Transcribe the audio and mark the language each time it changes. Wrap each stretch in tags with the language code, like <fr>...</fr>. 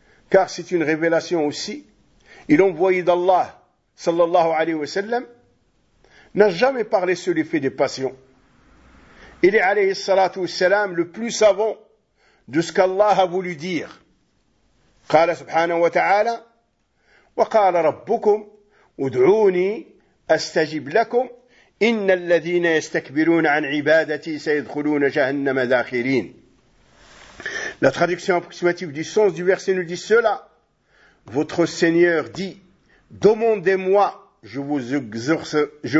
<fr>Car c'est une révélation aussi. Et l'envoyé d'Allah,</fr> <ar>sallallahu alayhi wa sallam,</ar> <fr>n'a jamais parlé sur l'effet des passions. Il est,</fr> <ar>alayhi salatu wa sallam,</ar> <fr>le plus savant de ce qu'Allah a voulu dire.</fr> <ar>قال سبحانه وتعالى وقال ربكم ادعوني استجب لكم ان الذين يستكبرون عن عبادتي سيدخلون جهنم داخرين.</ar> <fr>La traduction approximative du sens du verset nous dit cela. Votre Seigneur dit, demandez-moi, je vous exaucerai.</fr>